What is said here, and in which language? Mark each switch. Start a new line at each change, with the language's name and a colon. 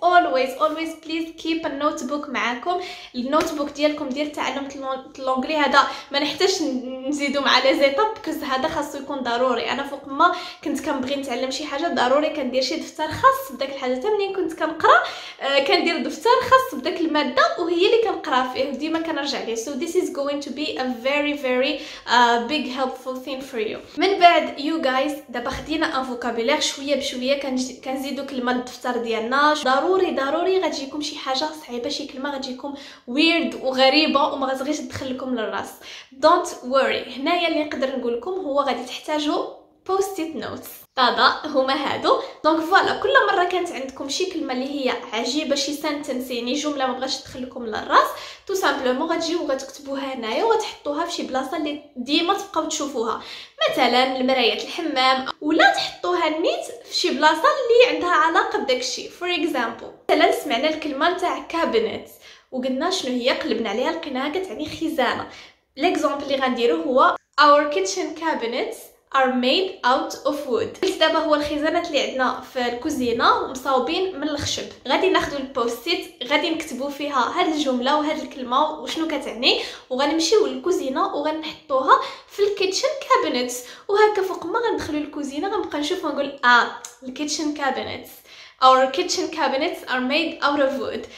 English: always always please keep a notebook
Arabic: معاكم، النوت بوك ديالكم ديال تعلم الانجلي هذا ما نحتاجش نزيدو مع لي زيتاب، بكز هذا خاصو يكون ضروري. انا فوق ما كنت كنبغي نتعلم شي حاجه ضروري كندير شي دفتر خاص بداك الحاجه. حتى ملي كنت كنقرا كندير دفتر خاص بداك الماده وهي اللي كنقرا فيه ديما كنرجع ليه.
English: So this is going to be a very very big helpful thing for you.
Arabic: من بعد
English: you guys
Arabic: دابا خدينا ان فوكابولير شويه بشويه كنزيدو كلمه للدفتر ديالنا. ضروري ضروري غتجيكم شي حاجه صعيبه شي كلمه غتجيكم ويرد وغريبه وما غتغيش تدخل لكم للراس.
English: Don't worry,
Arabic: هنايا اللي نقدر نقول لكم هو غادي تحتاجوا post-it notes. طبعا هما هادو. دونك فوالا كل مره كانت عندكم شي كلمه اللي هي عجيبه شي سنتنس يعني جمله ما بغاتش تدخل لكم للراس تو سامبلومون غتجيو وغتكتبوها هنايا وغتحطوها في شي بلاصه اللي ديما تبقاو تشوفوها مثلا المرايه الحمام ولا تحطوها نيت في شي بلاصه اللي عندها علاقه بداك الشيء. فور اكزامبل مثلا سمعنا الكلمه نتاع كابينت وقلنا شنو هي قلبنا عليها لقيناها كتعني خزانه. ليكزامبل اللي غنديرو هو
English: our kitchen cabinets are made out of wood.
Arabic: دابا هو الخزانات اللي عندنا في الكوزينه مصاوبين من الخشب. غادي ناخذ البوستيت غادي نكتبوا فيها هذه الجمله وهذه الكلمه وشنو كتعني وغنمشيو للكوزينه وغنحطوها في الكيتشن كابينت وهكا فوق ما غندخلوا الكوزينه غنبقى نشوف ونقول الكيتشن كابينت
English: our kitchen cabinets are made out of wood.